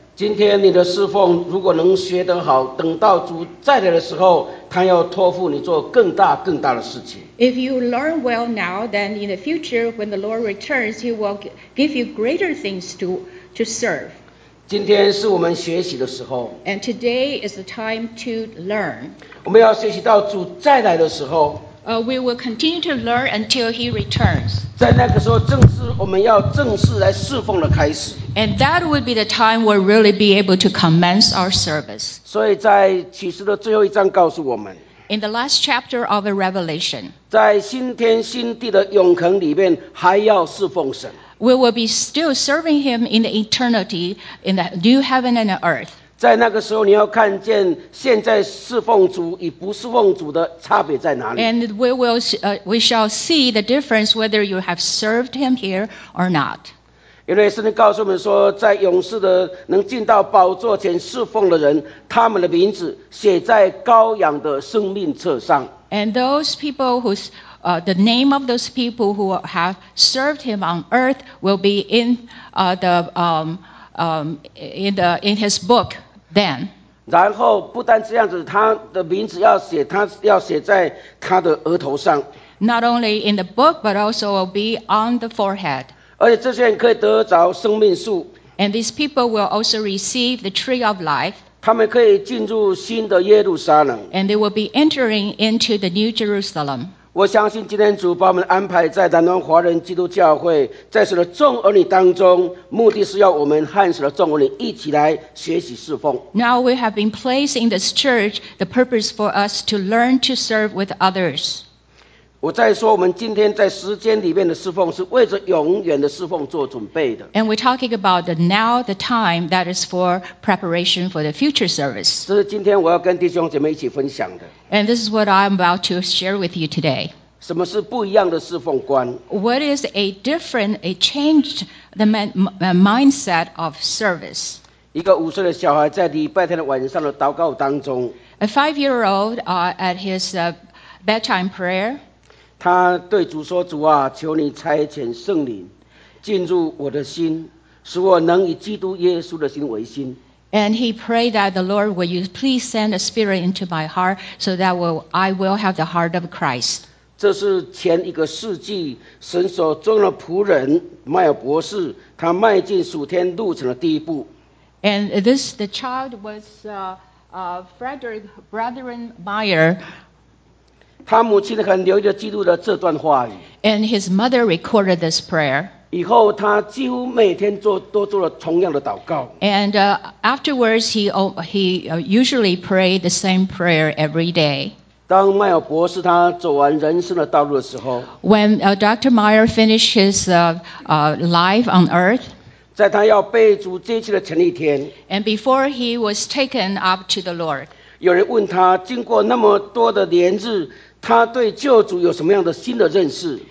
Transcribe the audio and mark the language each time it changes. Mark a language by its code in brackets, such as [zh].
[zh] 今天你的侍奉如果能学得好，等到主再来的时候，他要托付你做更大更大的事情。 [en] If you learn well now, then in the future, when the Lord returns, he will give you greater things to serve. [zh] 今天是我们学习的时候。 [en] And today is the time to learn. [zh] 我们要学习到主再来的时候。 [en] We will continue to learn until He returns. [zh] 在那个时候，正是我们要正式来侍奉的开始。 [en] And that would be the time we'll really be able to commence our service. [zh] 所以在启示的最后一章告诉我们。 [en] In the last chapter of the Revelation. [zh] 在新天新地的永恒里面，还要侍奉神。 [en] We will be still serving Him in the eternity in the new heaven and the earth. [zh] 在那个时候，你要看见现在侍奉主与不侍奉主的差别在哪里。 [en] And we shall see the difference whether you have served Him here or not. [zh] 因为圣经告诉我们说，在勇士的能进到宝座前侍奉的人，他们的名字写在羔羊的生命册上。 [en] And those people whose the name of those people who have served Him on earth will be in in his book then. [zh] 然后不单这样子，他的名字要写，他要写在他的额头上。 [en] Not only in the book, but also will be on the forehead. [zh] 而且这些人可以得着生命树。 [en] And these people will also receive the tree of life. [zh] 他们可以进入新的耶路撒冷。 [en] And they will be entering into the new Jerusalem. [zh] 我相信今天主把我们安排在南端华人基督教会，在神的众儿女当中，目的是要我们和神的众儿女一起来学习侍奉。 [en] Now we have been placed in this church, the purpose for us to learn to serve with others. [zh] 我在说，我们今天在时间里面的侍奉是为着永远的侍奉做准备的。 [en] And we're talking about the now, the time that is for preparation for the future service. [zh] 这是今天我要跟弟兄姐妹一起分享的。 [en] And this is what I'm about to share with you today. [zh] 什么是不一样的侍奉观？ [en] What is a different, a changed the mindset of service? [zh] 一个五岁的小孩在礼拜天的晚上的祷告当中， [en] A five-year-old at his bedtime prayer. [zh] 他对主说：“主啊，求你差遣圣灵进入我的心，使我能以基督耶稣的心为心。” [en] And he prayed that the Lord, will you please send a spirit into my heart so that I will have the heart of Christ. [zh] 这是前一个世纪神所中的仆人麦尔博士他迈进属天路程的第一步。 [en] And this, the child was Frederick Brethren Meyer. [zh] 他母亲很留意地记录了这段话语。 [en] And his mother recorded this prayer. [zh] 以后他几乎每天都做了同样的祷告。 [en] And afterwards, he usually prayed the same prayer every day. [zh] 当麦尔博士他走完人生的道路的时候 [en] ，When Dr. Meyer finished his life on earth， [zh] 在他要被主接去的前一天 [en] ，And before he was taken up to the Lord， [zh] 有人问他，经过那么多的年日，他对救主有什么样的新的认识